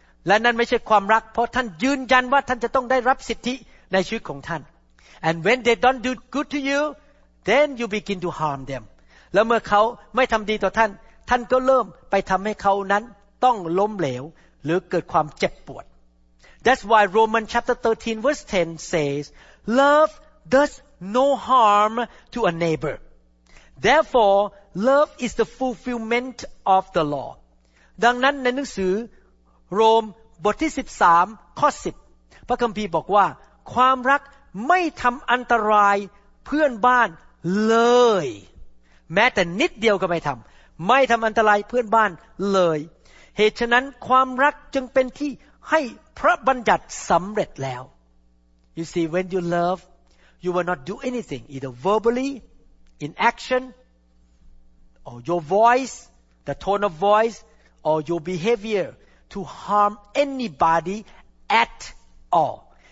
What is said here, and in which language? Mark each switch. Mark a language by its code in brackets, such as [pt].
[th] และนั่นไม่ใช่ความรักเพราะท่านยืนยันว่าท่านจะต้องได้รับสิทธิในชีวิตของท่าน [en] And when they don't do good to you, then you begin to harm them. [th] แล้วเมื่อเขาไม่ทำดีต่อท่านท่านก็เริ่มไปทำให้เขานั้นต้องล้มเหลวหรือเกิดความเจ็บปวด [en] That's why Romans chapter 13 verse 10 says, Love does no harm to a neighbor. Therefore, love is the fulfillment of the law. [th] ดังนั้นในหนังสือโรมบทที่13ข้อ10พระคัมภีร์บอกว่าความรักไม่ทำอันตรายเพื่อนบ้านเลย แม้แต่นิดเดียวก็ไม่ทำไม่ทำอันตรายเพื่อนบ้านเลยเหตุฉะนั้นความรักจึงเป็นที่ให้พระบัญญัติสำเร็จแล้ว [en] You see, when you love, you will not do anything, either verbally, in action, or your voice, the tone of voice, or your behavior, to harm anybody at all.